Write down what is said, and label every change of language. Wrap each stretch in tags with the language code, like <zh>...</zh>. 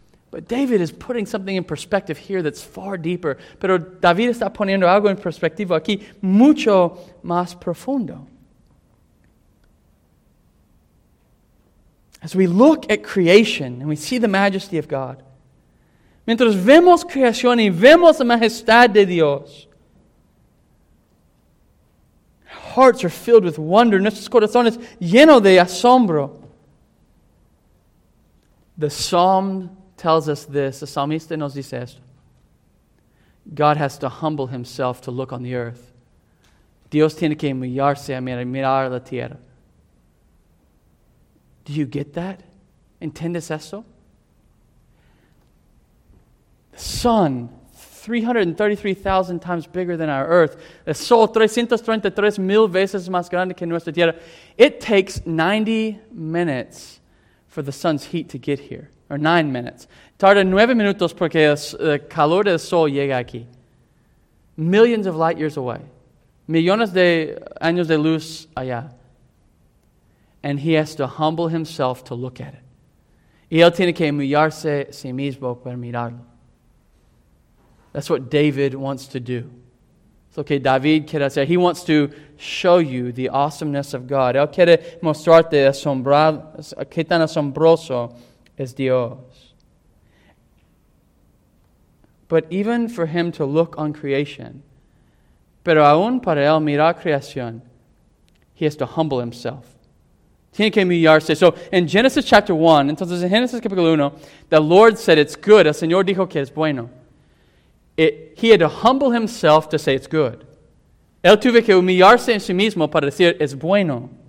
<en>But David is putting something in perspective here that's far deeper.</en> <es>Pero David está poniendo algo en perspectiva aquí mucho más profundo.</es> <en>As we look at creation and we see the majesty of God,</en> <es>mientras vemos creación y vemos la majestad de Dios,</es> <en>hearts are filled with wonder.</en> <es>Nuestros corazones llenos de asombro.</es> <en>The psalm tells us this, the</en> <es>psalmista nos dice esto.</es> <en>God has to humble himself to look on the earth.</en> <es>Dios tiene que humillarse a mirar la tierra.</es> <en>Do you get that?</en> <es>¿Entiendes eso?</es> <en>The sun, 333,000 times bigger than our earth.</en> <es>El sol, 333,000 veces más grande que nuestra tierra.</es> <en>It takes 90 minutes for the sun's heat to get here. Or 9 minutes.</en> <es>Tarda 9 minutos porque el calor del sol llega aquí.</es> <en>Millions of light years away.</en> <es>Millones de años de luz allá.</es> <en>And he has to humble himself to look at it.</en> <es>Y él tiene que humillarse a sí mismo para mirarlo.</es> <en>That's what David wants to do. It's okay,</en> <es>David quiere hacer.</es> <en>He wants to show you the awesomeness of God.</en> <es>Él quiere mostrarte qué tan asombroso es Dios.</es> <en>But even for him to look on creation,</en> <es>pero aún para él mirar creación,</es> <en>he has to humble himself.</en> <es>Tiene que humillarse.</es> <en>So in Genesis chapter 1,</en> <es>entonces en Genesis capítulo 1,</es> <en>the Lord said it's good.</en> <es>El Señor dijo que es bueno.</es> <en>He had to humble himself to say it's good.</en> <es>Él tuvo que humillarse en sí mismo para decir es bueno.</es>